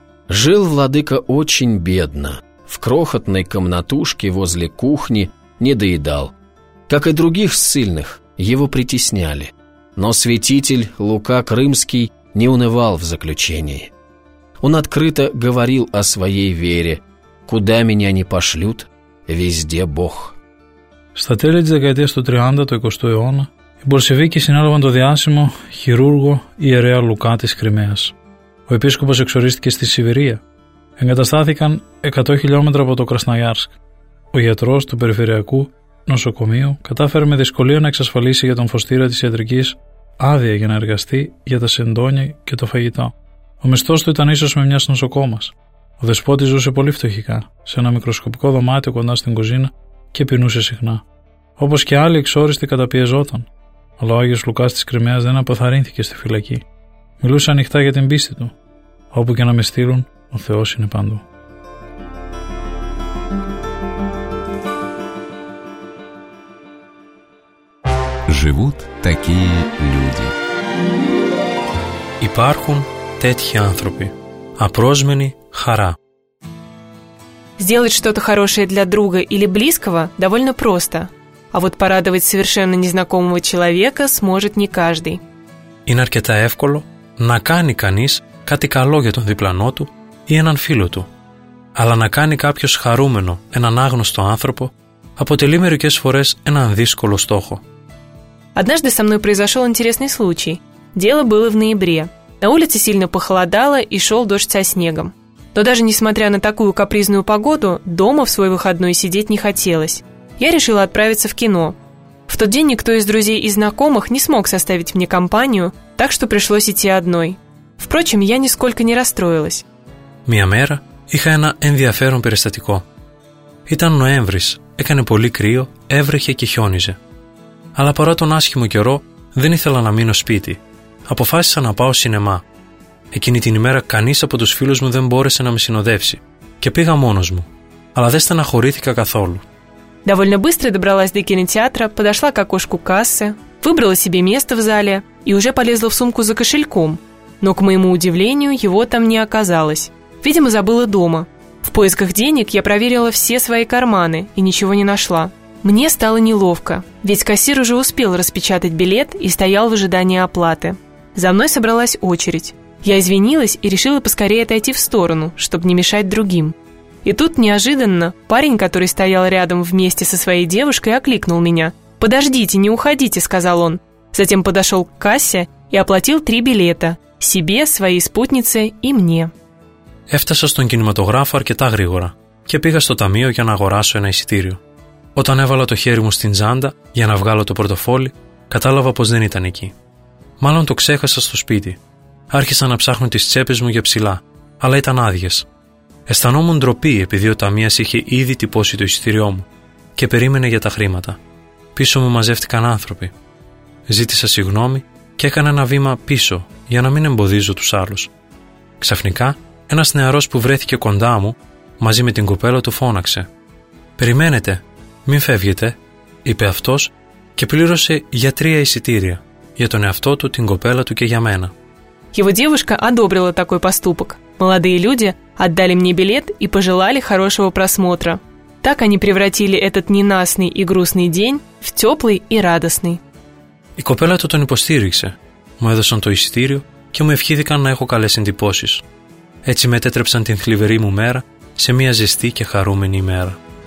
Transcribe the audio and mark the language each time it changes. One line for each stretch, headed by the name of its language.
Russian: Жил владыка очень бедно. В крохотной комнатушке возле кухни не доедал. Как и других ссыльных, его притесняли. Но святитель Лука Крымский не унывал в заключении. Он открыто говорил о своей вере. «Куда меня не пошлют, везде Бог».
Greek: Στα τέλη της δεκαετίας του 30 του 20ου αιώνα, οι Μπολσεβίκοι συνέλαβαν το διάσημο χειρούργο ιερέα Λουκά της Κρυμαίας. Ο επίσκοπος εξορίστηκε στη Σιβηρία. Εγκαταστάθηκαν 100 χιλιόμετρα από το Κρασναγιάρσκ. Ο γιατρός του περιφερειακού νοσοκομείου κατάφερε με δυσκολία να εξασφαλίσει για τον φωστήρα της ιατρικής άδεια για να εργαστεί για τα σεντόνια και το φαγητό. Ο μισθός του ήταν ίσως με μιας νοσοκόμας. Ο δεσπότης ζούσε πολύ φτωχικά, σε ένα μικροσκοπικό δωμάτιο κοντά στην κουζίνα και πεινούσε συχνά. Όπως και άλλοι εξόριστοι καταπιεζόταν. Αλλά ο Άγιος Λουκάς της Κρυμαίας δεν αποθαρρύνθηκε στη φυλακή. Μιλούσε ανοιχτά για την πίστη του. Όπου και να με στείλουν, ο Θεός είναι παντού.
Russian: Живут такие люди.
Greek: Υπάρχουν τέτοιοι άνθρωποι. Απρόσμενη χαρά.
Russian: Сделать что-то хорошее для друга или близкого довольно просто. А вот порадовать совершенно незнакомого человека сможет не каждый.
Greek: Είναι αρκετά εύκολο να κάνει κανείς κάτι καλό για τον διπλανό του ή έναν φίλο του. Αλλά να κάνει κάποιος χαρούμενο έναν άγνωστο άνθρωπο αποτελεί μερικές φορές έναν δύσκολο στόχο.
Russian: Однажды со мной произошел интересный случай. Дело было в ноябре. На улице сильно похолодало и шел дождь со снегом. Но даже несмотря на такую капризную погоду, дома в свой выходной сидеть не хотелось. Я решила отправиться в кино. В тот день никто из друзей и знакомых не смог составить мне компанию, так что пришлось идти одной. Впрочем, я нисколько не расстроилась.
Greek: Мия мера, είχα ένα ενδιαφέρον περιστατικό. Ήταν Νοέμβρης, έκανε πολύ κρύο, έβρεχε και χιόνιζε. Αλλά παρά τον άσχημο καιρό, δεν ήθελα να μείνω σπίτι. Αποφάσισα να πάω σινεμά. Εκείνη την ημέρα κανείς από τους φίλους μου δεν μπόρεσε να με συνοδεύσει και πήγα μόνος μου. Αλλά δεν στεναχωρήθηκα καθόλου.
Russian: Довольно быстро добралась до кинотеатра, подошла к окошку кассы, выбрала себе место в зале и уже полезла в сумку за кошельком. Но, к моему удивлению, его там не оказалось. Видимо, забыла дома. В поисках денег я проверила все свои карманы и ничего не нашла. Мне стало неловко, ведь кассир уже успел распечатать билет и стоял в ожидании оплаты. За мной собралась очередь. Я извинилась и решила поскорее отойти в сторону, чтобы не мешать другим. И тут неожиданно парень, который стоял рядом вместе со своей девушкой, окликнул меня. «Подождите, не уходите», — сказал он. Затем подошел к кассе и оплатил 3 билета — себе, своей спутнице и мне.
Greek: Έφτασα στον κινηματογράφο αρκετά γρήγορα και πήγα στο ταμείο για να αγοράσω ένα εισιτήριο. Όταν έβαλα το χέρι μου στην τσάντα για να βγάλω το πορτοφόλι, κατάλαβα πως δεν ήταν εκεί. Μάλλον το ξέχασα στο σπίτι. Άρχισα να ψάχνω τις τσέπες μου για ψηλά, αλλά ήταν άδειες. Αισθανόμουν ντροπή επειδή ο ταμείας είχε ήδη τυπώσει το εισιτήριό μου και περίμενε για τα χρήματα. Πίσω μου μαζεύτηκαν άνθρωποι. Ζήτησα συγγνώμη και έκανα ένα βήμα πίσω για να μην εμποδίζω τους άλλους. Ξαφνικά, ένας νεαρός που βρέθηκε κοντά μου μαζί με την κοπέλα του φώναξε. «Περιμένετε, μην φεύγετε», είπε αυτός και πλήρωσε για 3 εισιτήρια για τον εαυτό του, την κοπέλα του και για μένα.
Russian: Его девушка одобрила такой поступок. Молодые люди отдали мне билет и пожелали хорошего просмотра. Так они превратили этот ненастный и грустный день в теплый и радостный.
Greek: Η κοπέλα του τον υποστήριξε. Μου έδωσαν το εισιτήριο και μου ευχήθηκαν να έχω καλές εντυπώσεις. Έτσι μετέτρεψαν την θλιβερή μου μέρα σε μια ζεστή και χαρούμενη ημέρα.